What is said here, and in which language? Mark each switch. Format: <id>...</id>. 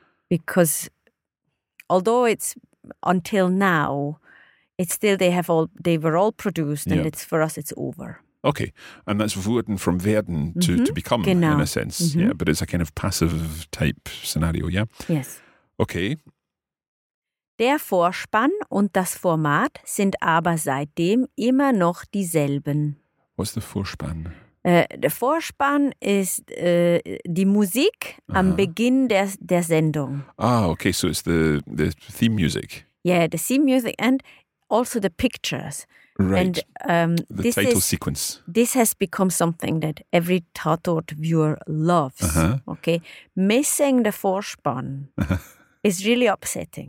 <en>Because although it's until now, it's still they were all produced and it's for us it's over. Okay. And that's wurden from werden to, to become in a sense. Mm-hmm. Yeah. But it's a kind of passive type scenario, yeah? Yes. Okay.</en> <de>Der Vorspann und das Format sind aber seitdem immer noch dieselben.</de> <en>What's the Vorspann?</en> <de>Der Vorspann ist die Musik am Beginn der Sendung.</de> <en>Ah, okay, so it's the theme music. Yeah, the theme music and also the pictures. Right, and, the title sequence. This has become something that every Tatort viewer loves, okay? Missing the Vorspann. It's really upsetting.</en>